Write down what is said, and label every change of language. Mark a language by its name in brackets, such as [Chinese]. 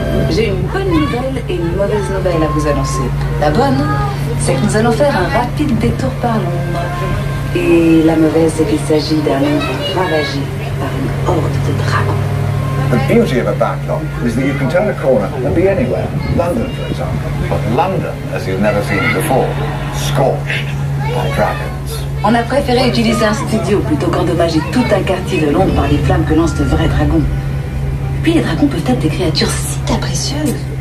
[French] J'ai une bonne nouvelle et une mauvaise nouvelle à vous annoncer. La bonne, c'est que nous allons faire un rapide détour par Londres. Et la mauvaise, c'est qu'il s'agit d'un Londres ravagé par une horde de dragons. [English] The beauty of a backlog is that you can turn a corner and be anywhere. London, for example. But London, as you've never seen before, scorched by dragons. [French] On a préféré utiliser un studio plutôt qu'endommager tout un quartier de Londres par les flammes que lancent de vrais dragons. Puis les dragons peuvent être des créatures si capricieuses.